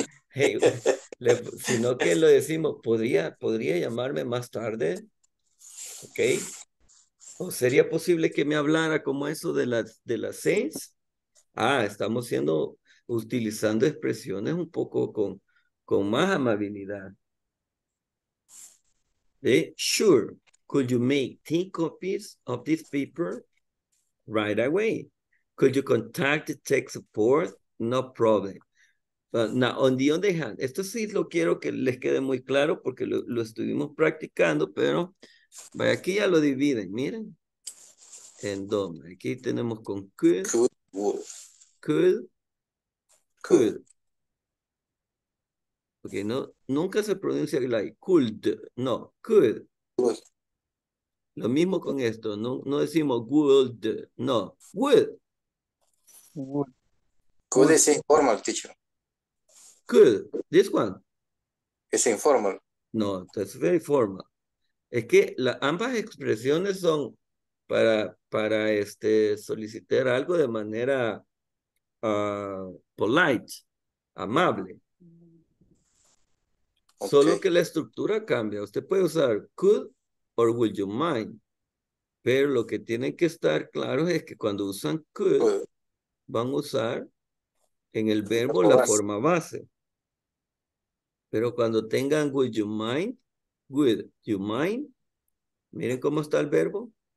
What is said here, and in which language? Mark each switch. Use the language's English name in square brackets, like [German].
[Spanish] Hey, sino que lo decimos, ¿podría llamarme más tarde? ¿Ok? ¿O sería posible que me hablara como eso de las seis? Ah, estamos siendo, utilizando expresiones un poco con más amabilidad. [English] Sure, could you make 10 copies of this paper right away? Could you contact the tech support? No problem. Now, on the other hand, [Spanish] esto sí lo quiero que les quede muy claro porque lo estuvimos practicando, pero aquí ya lo dividen, miren. En dónde. Aquí tenemos con could. [English] Could. Could. [Spanish] Ok, no, nunca se pronuncia [English] like could, [Spanish] no, could. Lo mismo con esto, no decimos would, no, would. Could es informal, teacher. [English] Could, this one. [Spanish] Es informal. [English] No, that's very formal. [Spanish] Es que ambas expresiones son para solicitar algo de manera polite, amable. Okay. Solo que la estructura cambia. Usted puede usar [English] could or would you mind. [Spanish] Pero lo que tienen que estar claros es que cuando usan could, van a usar en el verbo la forma base. Pero cuando tengan [English] would you mind, [Spanish] miren cómo está el verbo.